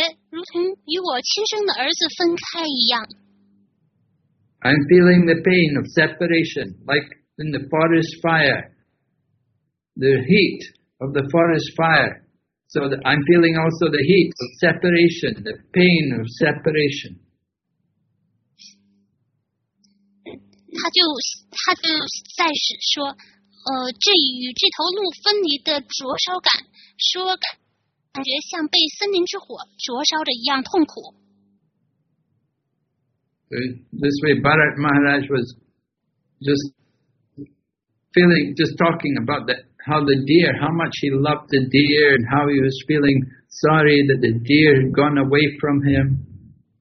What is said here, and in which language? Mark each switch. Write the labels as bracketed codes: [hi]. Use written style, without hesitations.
[zh] 与这头鹿分开，我感觉如同与我亲生的儿子分开一样。 [en] I'm feeling the pain of separation, like in the forest fire. The heat of the forest fire. So that I'm feeling also the heat of separation, the pain of separation. [zh] 他就在说，这与这头鹿分离的灼烧感，说感觉像被森林之火灼烧着一样痛苦。 [en] This way Bharat Maharaj was just talking about that. How the deer, how much he loved the deer and how he was feeling sorry that the deer had gone away from him.